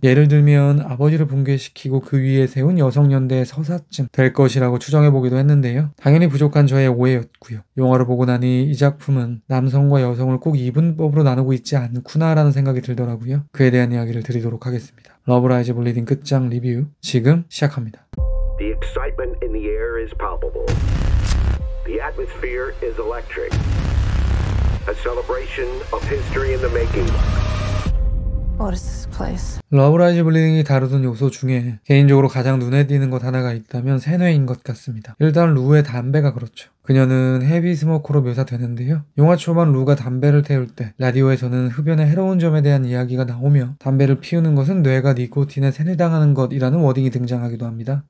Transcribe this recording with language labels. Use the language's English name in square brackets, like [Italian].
[Korean] 예를 들면 아버지를 붕괴시키고 그 위에 세운 여성연대의 서사쯤 될 것이라고 추정해보기도 했는데요. 당연히 부족한 저의 오해였고요. 영화를 보고 나니 이 작품은 남성과 여성을 꼭 이분법으로 나누고 있지 않구나라는 생각이 들더라고요. 그에 대한 이야기를 드리도록 하겠습니다. 러브라이즈 블리딩 끝장 리뷰 지금 시작합니다. [English] The excitement in the air is palpable. The atmosphere is electric. A celebration of history in the making. What is this place? [Korean] 러브라이즈 블리딩이 다루던 요소 중에 개인적으로 가장 눈에 띄는 것 하나가 있다면 세뇌인 것 같습니다. 일단 루의 담배가 그렇죠. 그녀는 헤비 스모커로 묘사되는데요. 영화 초반 루가 담배를 태울 때 라디오에서는 흡연의 해로운 점에 대한 이야기가 나오며 담배를 피우는 것은 뇌가 니코틴에 세뇌당하는 것이라는 워딩이 등장하기도 합니다.